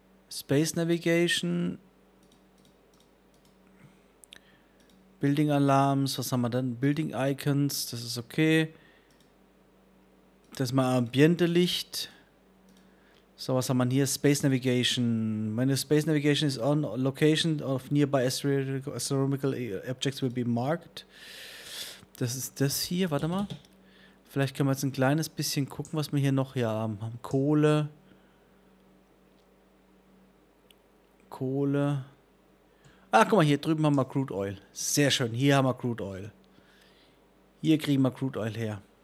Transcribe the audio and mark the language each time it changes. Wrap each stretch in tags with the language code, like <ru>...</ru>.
<en>Space Navigation.</en> <de>Building Alarms. Was haben wir denn? Building Icons. Das ist okay. Das ist mal Ambiente-Licht. So, was haben wir hier? Space Navigation.</de> <en>When the Space Navigation is on, location of nearby astronomical objects will be marked.</en> <de>Das ist das hier, warte mal. Vielleicht können wir jetzt ein kleines bisschen gucken, was wir hier noch hier haben. Kohle. Kohle. Ah, guck mal, hier drüben haben wir Crude Oil. Sehr schön, hier haben wir Crude Oil. Hier kriegen wir Crude Oil her.</de>